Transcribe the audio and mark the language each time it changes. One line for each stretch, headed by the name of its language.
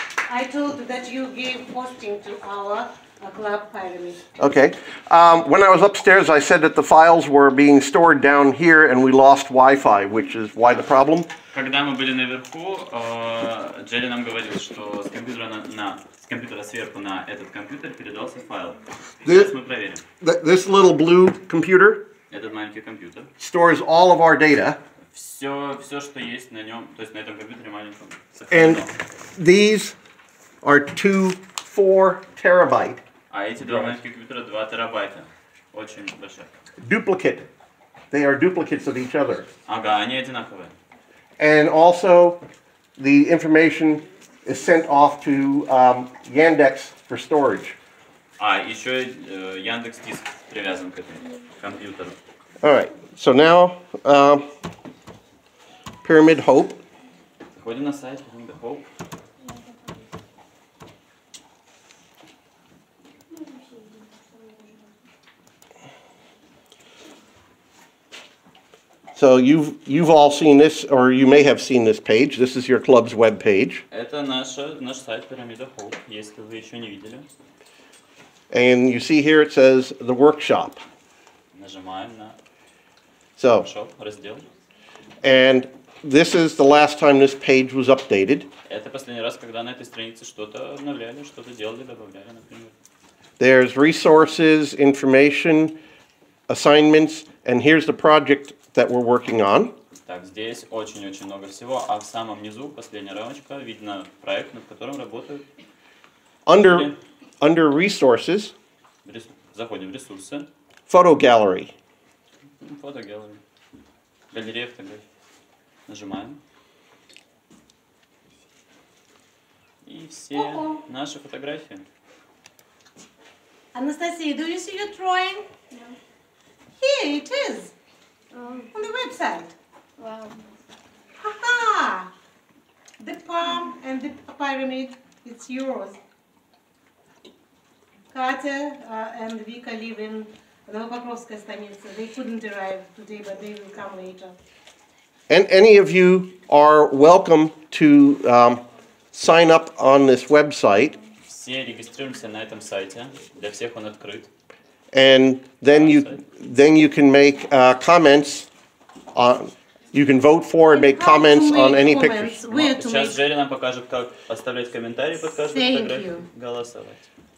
English: I told that you gave hosting to our club pyramid. Okay. When I was upstairs, I said that the files were being stored down here and we lost Wi-Fi, which is why the problem?
Russian: Когда мы были наверху, Джерри нам говорил, что с компьютера сверху на этот компьютер передался файл. Сейчас мы проверим.
English: This little blue computer.
Russian: Этот маленький компьютер.
English: Stores all of our data.
Russian: Все, что есть на нем, то есть на этом компьютере маленьком.
English: And these are 2-4 terabyte.
Russian: А эти два маленьких компьютера 2 терабайта. Очень большая.
English: Duplicate. They are duplicates of each other.
Russian: Ага, они одинаковые.
English: And also, the information is sent off to Yandex for storage.
Russian: А, еще Yandex диск привязан к этому компьютеру.
English: All right, so now, Pyramid Hope.
Russian: Заходим на сайт Pyramid Hope.
English: So you've all seen this, or you may have seen this page. This is your club's web page.
Russian: Это наш сайт Pyramid Hope, если вы еще не видели.
English: And you see here it says the workshop.
Russian: Нажимаем на
English: workshop,
Russian: раздел.
English: And this is the last time this page was updated.
Russian: Это последний раз, когда на этой странице что-то обновляли, что-то делали, добавляли, например.
English: There's resources, information, assignments, and here's the project that we're working on.
Russian: Так, здесь очень-очень много всего, а в самом низу, последняя рамочка, видно проект, над которым работают.
English: Under resources.
Russian: Заходим в ресурсы.
English: Photo gallery.
Russian: Галерея фотографий. Нажимаем. И все наши фотографии.
English: Анастасия, do you see your drawing? Yeah. Here it is. On the website. Wow. Haha! The palm and the pyramid, it's yours. Katya and Vika live in Novopokrovska Stanitsa. They couldn't arrive today, but they will come later. And any of you are welcome to sign up on this website.
Russian: Все регистрируемся на этом сайте. Для всех он открыт.
English: And then you can make comments on, you can vote for and make comments on any pictures.
Russian: Сейчас Джерри нам покажет, как оставлять комментарии под каждой фотографией, голосовать.